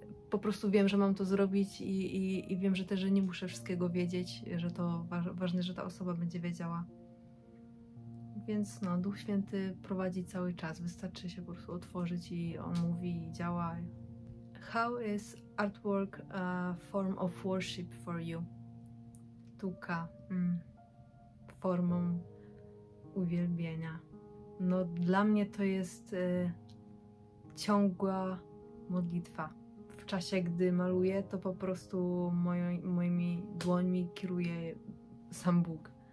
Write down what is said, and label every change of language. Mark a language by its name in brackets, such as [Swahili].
[Polish] Po prostu wiem, że mam to zrobić i wiem, że też, że nie muszę wszystkiego wiedzieć, że to ważne, że ta osoba będzie wiedziała. więc no, Duch Święty prowadzi cały czas. Wystarczy się po prostu otworzyć i on mówi i działa. [English] How is artwork a form of worship for you? [Polish] Sztuka formą uwielbienia. No, dla mnie to jest ciągła modlitwa. W czasie, gdy maluję, to po prostu moimi dłońmi kieruje sam Bóg.